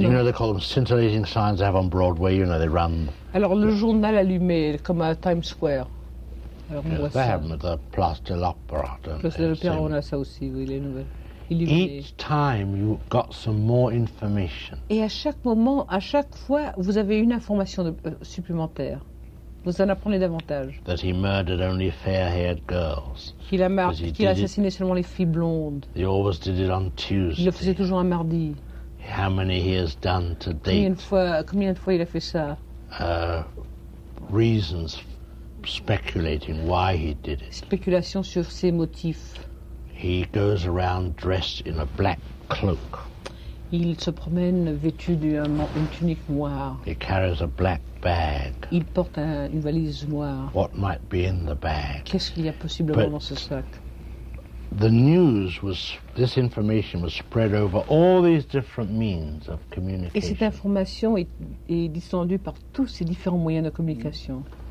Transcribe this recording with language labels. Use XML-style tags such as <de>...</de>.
<en>You know they call them scintillating signs they have on Broadway. You know they run.</en> <fr>Alors le journal allumé comme à Times Square.</fr> <en>Yes, they have the Place de l'Opéra.</en> <fr>Place de l'Opéra, on a ça aussi, oui, les nouvelles.</fr> <en>Each time you got some more information.</en> <fr>Et à chaque moment, à chaque fois, vous avez une information supplémentaire. Vous en apprenez davantage.</fr> <en>That he murdered only fair-haired girls.</en> <fr>Qu'il a assassiné seulement les filles blondes.</fr> <en>He always did it on Tuesday.</en> <fr>Il le faisait toujours un mardi.</fr> <en>How many he has done to date?</en> <fr>Combien de fois il a fait ça?</fr> <en>Reasons speculating why he did it.</en> <fr>Spéculation sur ses motifs.</fr> <en>He goes around dressed in a black cloak.</en> <fr>Il se promène vêtu d'une tunique noire.</fr> <en>He carries a black bag.</en> <fr>Il porte une valise noire.</fr> <en>What might be in the bag?</en> <fr>Qu'est-ce qu'il y a possiblement dans ce sac?</fr> <en>The news was, this information was spread over all these different means of communication.</en> <fr>Et cette information est distendue par tous ces différents moyens de communication.</fr>